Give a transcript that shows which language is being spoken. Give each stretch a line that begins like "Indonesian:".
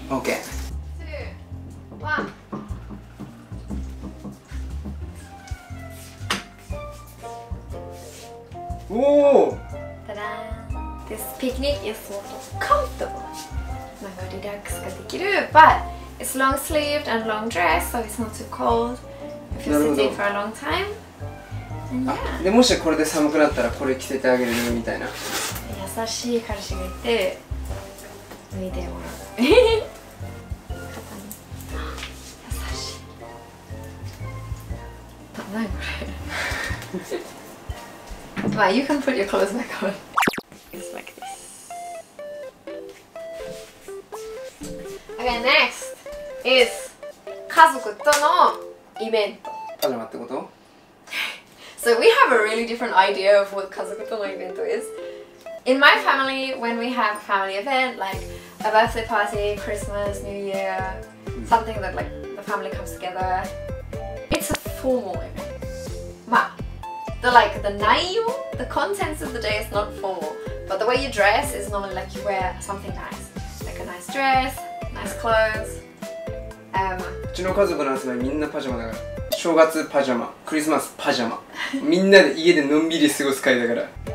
English: Okay. Two, one. おお。たらーん。This picnic is more comfortable.
Japanese: なんかリラックスができる。
English: But it's long sleeved and long dress, so it's not too cold. If you're sitting for a long time. Yeah.
Japanese: でもしこれで寒くなったらこれ着せてあげるみたいな。優しい彼氏がいて脱いでもらう。優しい。何これ。
English: まあ、you can put your clothes back on. It's like this. Okay, next is
Japanese: 家族とのイベント。パジャマってこと？
English: So we have a really different idea of what
Japanese: 家族とのイベント
English: is. In my family, when we have a family event, like a birthday party, Christmas, New Year, something that like the family comes together, it's a formal event. まあ、The 内容、the contents of the day is not formal, but the way you dress is normally like you wear something nice. Like a nice dress, nice clothes.
Japanese: うちの家族の集まりみんなパジャマだから。正月パジャマ、クリスマスパジャマ。みんなで家でのんびり過ごす会だから。